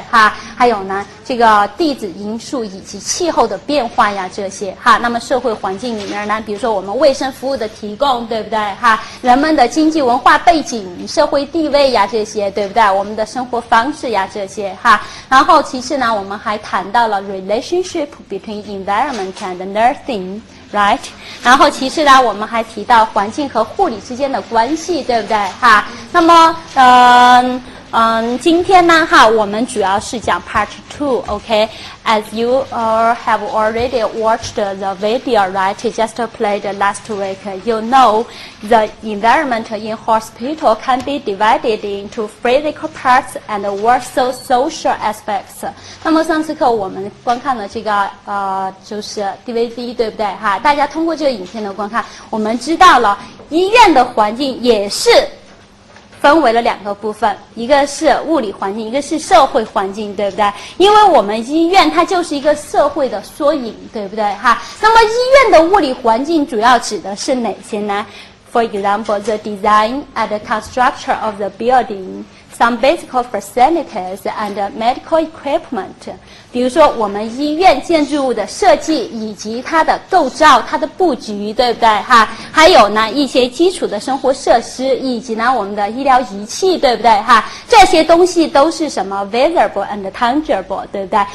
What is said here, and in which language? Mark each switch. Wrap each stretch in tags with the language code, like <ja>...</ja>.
<zh>哈，还有呢这个地质因素以及气候的变化呀，这些哈。那么社会环境里面呢，比如说我们卫生服务的提供，对不对？哈，人们的经济文化背景、社会地位呀，这些，对不对？我们的生活方式呀，这些哈。然后其次呢，我们还谈到了</zh> <en>relationship between environment and nursing， right？</en> <zh>然后其次呢，我们还提到环境和护理之间的关系，对不对？哈，那么今天呢哈，我们主要是讲 part 2， okay？</zh> <en>As you have already watched the video, right? Just played last week. You know the environment in hospital can be divided into physical parts and also social aspects.</en> <zh>那么上次课我们观看了这个就是 DVD， 对不对？哈，大家通过这个影片的观看，我们知道了医院的环境也是分为了两个部分，一个是物理环境，一个是社会环境，对不对？因为我们医院它就是一个社会的缩影，对不对？哈，那么医院的物理环境主要指的是哪些呢？</zh> <en>For example, the design and construction of the building, some basic facilities and medical equipment.</en> <zh>比如说我们医院建筑物的设计以及它的构造、它的布局，对不对？哈，还有呢一些基础的生活设施以及呢我们的医疗仪器，对不对？哈，这些东西都是什么</zh> <en>visible and tangible，</en> <zh>对不对？</zh>